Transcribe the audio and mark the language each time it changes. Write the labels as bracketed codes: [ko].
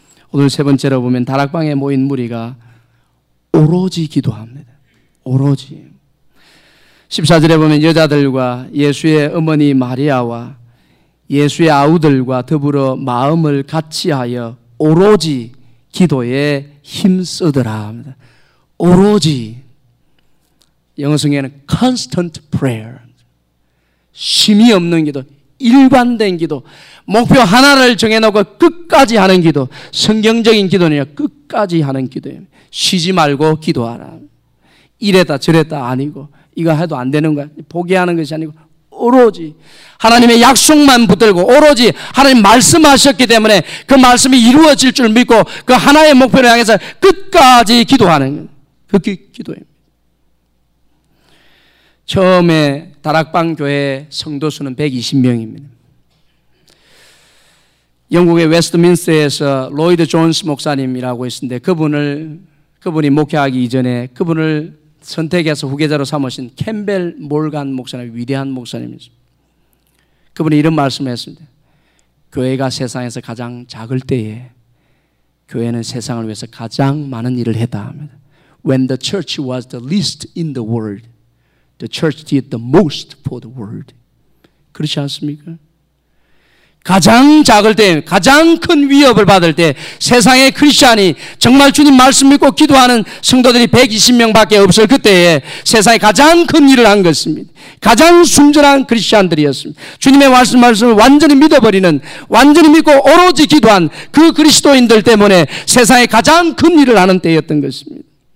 [ko] 오늘 세 번째로 보면 다락방에 모인 무리가 오로지 기도합니다. 오로지. 14절에 보면 여자들과 예수의 어머니 마리아와 예수의 아우들과 더불어 마음을 같이하여 오로지 기도에 힘쓰더라 합니다. 오로지. 영어성경에는 [en] constant prayer. [ko] 쉼이 없는 기도, 일관된 기도, 목표 하나를 정해놓고 끝까지 하는 기도, 성경적인 기도는 끝까지 하는 기도입니다. 쉬지 말고 기도하라. 이랬다 저랬다 아니고 이거 해도 안 되는 거야. 포기하는 것이 아니고 오로지 하나님의 약속만 붙들고 오로지 하나님 말씀하셨기 때문에 그 말씀이 이루어질 줄 믿고 그 하나의 목표를 향해서 끝까지 기도하는 그 기도입니다. 처음에 다락방 교회 성도 수는 120명입니다. 영국의 웨스트민스터에서 로이드 존스 목사님이라고 있었는데 그분이 목회하기 이전에 그분을 선택해서 후계자로 삼으신 캠벨 몰간 목사님, 위대한 목사님이십니다. 그분이 이런 말씀을 했습니다. 교회가 세상에서 가장 작을 때에 교회는 세상을 위해서 가장 많은 일을 했다 합니다. [en] When the church was the least in the world, the church did the most for the world. [ko] 그렇지 않습니까? 가장 작을 때, 가장 큰 위협을 받을 때 세상에 크리스찬이 정말 주님 말씀 믿고 기도하는 성도들이 120명밖에 없을 그때에 세상에 가장 큰 일을 한 것입니다. 가장 순전한 크리스찬들이었습니다. 주님의 말씀을 완전히 믿어버리는, 완전히 믿고 오로지 기도한 그 그리스도인들 때문에 세상에 가장 큰 일을 하는 때였던 것입니다.